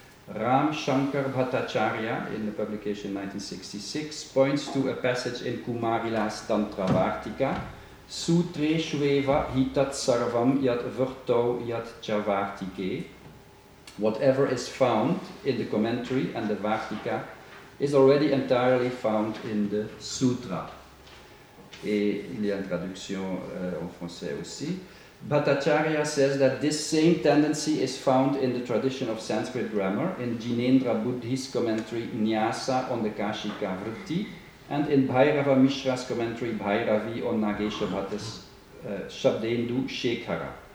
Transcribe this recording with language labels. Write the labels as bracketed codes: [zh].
[en] Ram Shankar Bhattacharya, in the publication 1966, points to a passage in Kumarila's Tantra Vartika, [sa] Sutre Shweva Hitat Sarvam Yat Virto Yat Javartike. [en] Whatever is found in the commentary and the Vartika is already entirely found in the Sutra. [fr] Et il y a une traduction en français aussi. [en] Bhattacharya says that this same tendency is found in the tradition of Sanskrit grammar, in Jinendra Buddhi's commentary Nyasa on the Kashika Vritti, and in Bhairava Mishra's commentary Bhairavi on Nagesha Bhatta's Shabdendu Shekhara.